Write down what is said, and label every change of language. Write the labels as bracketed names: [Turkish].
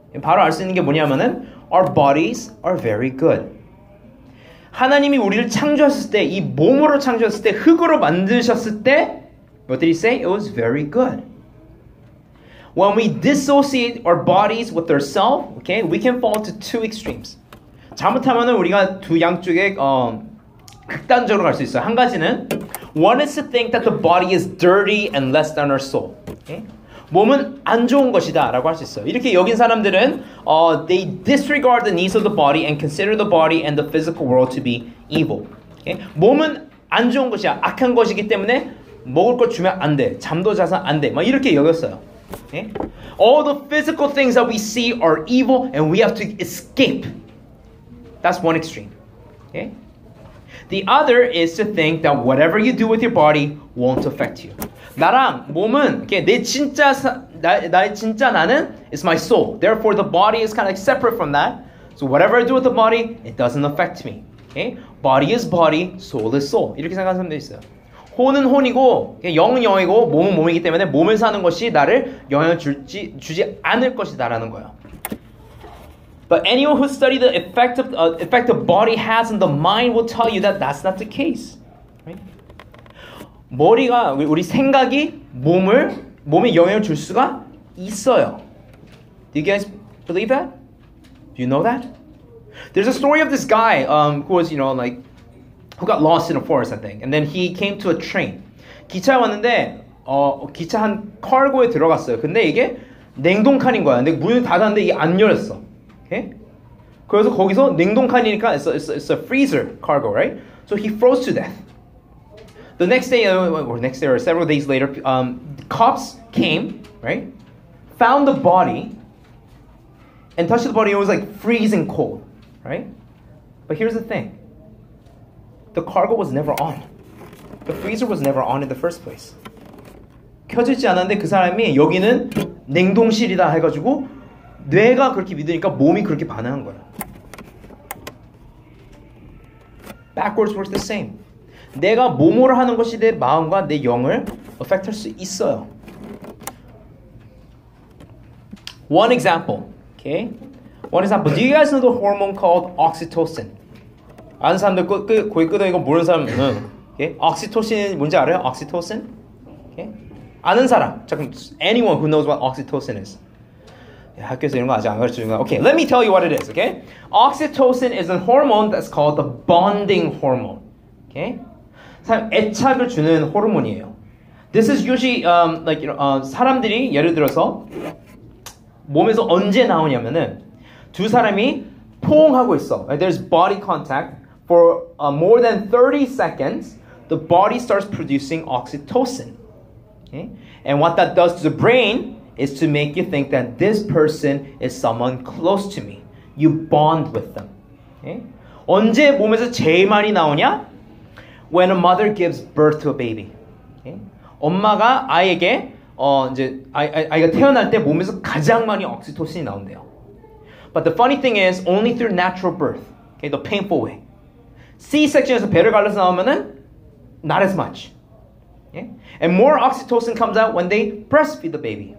[Korean] 바로 알 수 있는 게 뭐냐면은 [English] Our bodies are very good. [Korean] 하나님이 우리를 창조하셨을 때, 이 몸으로 창조하셨을 때, 흙으로 만드셨을 때, [English] what did he say? It was very good. When we dissociate our bodies with ourselves, okay, we can fall to two extremes. [Korean] 잘못하면 우리가 두 양쪽에 극단적으로 갈 수 있어요. 한 가지는, [English] one is to think that the body is dirty and less than our soul. Okay? [Korean] 몸은 안 좋은 것이다 라고 할 수 있어요. 이렇게 여긴 사람들은 [English] they disregard the needs of the body and consider the body and the physical world to be evil. Okay? [Korean] 몸은 안 좋은 것이야. 악한 것이기 때문에 먹을 것 주면 안 돼. 잠도 자서 안 돼. 막 이렇게 여겼어요. Okay? [English] All the physical things that we see are evil and we have to escape. That's one extreme. Okay? The other is to think that whatever you do with your body won't affect you. [Korean] 나랑 몸은 okay, 나의 진짜 나는 [English] is my soul. Therefore, the body is kind of like separate from that. So whatever I do with the body, it doesn't affect me. Okay, body is body, soul is soul. [Korean] 이렇게 생각하는 사람도 있어요. 혼은 혼이고 okay, 영은 영이고 몸은 몸이기 때문에 몸을 사는 것이 나를 영향 주지 않을 것이다라는 거예요. [English] But anyone who studied the effect the body has on the mind will tell you that that's not the case. [Korean] 머리가 우리 생각이 몸에 영향을 줄 수가 있어요. [English] Do you guys believe that? Do you know that? There's a story of this guy who was, you know, like who got lost in a forest, I think. And then he came to a train. [Korean] 기차에 왔는데 기차 한 카르고에 들어갔어요. 근데 이게 냉동칸인 거야. 근데 문을 닫았는데 이게 안 열렸어. [English] Okay? [Korean] 그래서 거기서 냉동칸이니까 [English] it's a freezer cargo, right? So he froze to death. The next day or several days later, cops came, right? Found the body and touched the body. It was like freezing cold, right? But here's the thing. The cargo was never on. The freezer was never on in the first place. [Korean] 켜지지 않았는데 그 사람이 여기는 냉동실이다 해가지고 뇌가 그렇게 믿으니까 몸이 그렇게 반응한 거야. [English] Backwards works the same. [Korean] 내가 몸으로 하는 것이 내 마음과 내 영을 affect 할 수 있어요. [English] One example, okay? One example. Do you guys know the hormone called oxytocin? [Korean] 아는 사람들 고개 끄덕이고 모르는 사람은 okay? [English] Oxytocin [Korean] 뭔지 알아요? [English] Oxytocin? Okay? [Korean] 아는 사람, 잠깐, [English] anyone who knows what oxytocin is. [Korean] 학교에서 이런 거 아직 안 가르쳐 준 거야. [English] Okay, let me tell you what it is. Okay, oxytocin is a hormone that's called the bonding hormone. [Korean] Okay, 사실 애착을 주는 호르몬이에요. [English] This is usually like you know, [Korean] 사람들이 예를 들어서 몸에서 언제 나오냐면은 두 사람이 포옹하고 있어. Right? [English] There's body contact for more than 30 seconds. The body starts producing oxytocin. Okay, and what that does to the brain is to make you think that this person is someone close to me. You bond with them. Okay? [Korean] 언제 몸에서 제일 많이 나오냐? [English] When a mother gives birth to a baby. Okay? [Korean] 엄마가 아이에게 아이가 태어날 때 몸에서 가장 많이 옥시토신이 나온대요. [English] But the funny thing is only through natural birth. Okay? The painful way. C-section에서 [Korean] 배를 갈라서 나오면은 [English] not as much. Yeah? And more oxytocin comes out when they breastfeed the baby.